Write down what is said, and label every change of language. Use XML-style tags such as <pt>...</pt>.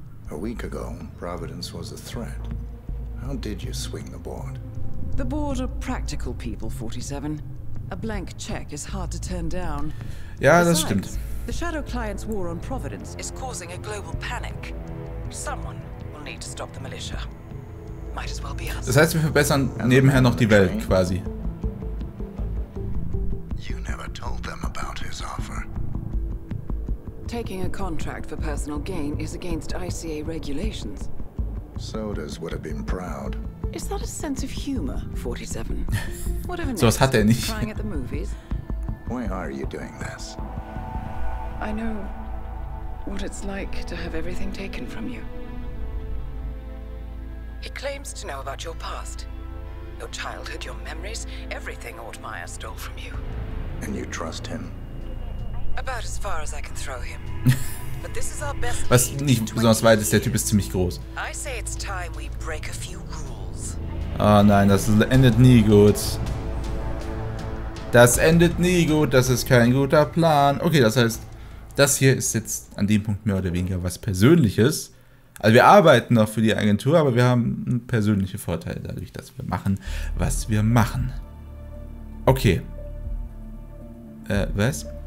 <en>A week ago, Providence was a threat. How did you swing the board? The board are practical people, 47. A blank check is hard to turn down.</en> <de>Ja, das stimmt.</de> <en>The Shadow Client's war on Providence is causing a global panic. Someone will need to stop the militia. Might as well be us.</en> <de>Das heißt, wir verbessern nebenher noch die Welt, quasi.</de> <en>You never told them about his offer. Taking a contract for personal gain is against ICA regulations. Sodas would have been proud. Is that a sense of humor, 47? Whatever.</en> <de>So was hat er nicht.</de> <en>Crying at the movies. Why are you doing this? I know what it's like to have everything taken from you. He claims to know about your past. Your childhood, your memories, everything Altmaier stole from you. And you trust him? About as far as I can throw him. But this is our best.</en> <de>Was nicht besonders weit ist, der Typ ist ziemlich groß.</de> <en>I say it's time we break a few rules.</en> <de>Oh nein, das endet nie gut. Das endet nie gut, das ist kein guter Plan. Okay, das heißt, das hier ist jetzt an dem Punkt mehr oder weniger was Persönliches. Also wir arbeiten noch für die Agentur, aber wir haben persönliche Vorteile dadurch, dass wir machen, was wir machen. Okay. Was?</de>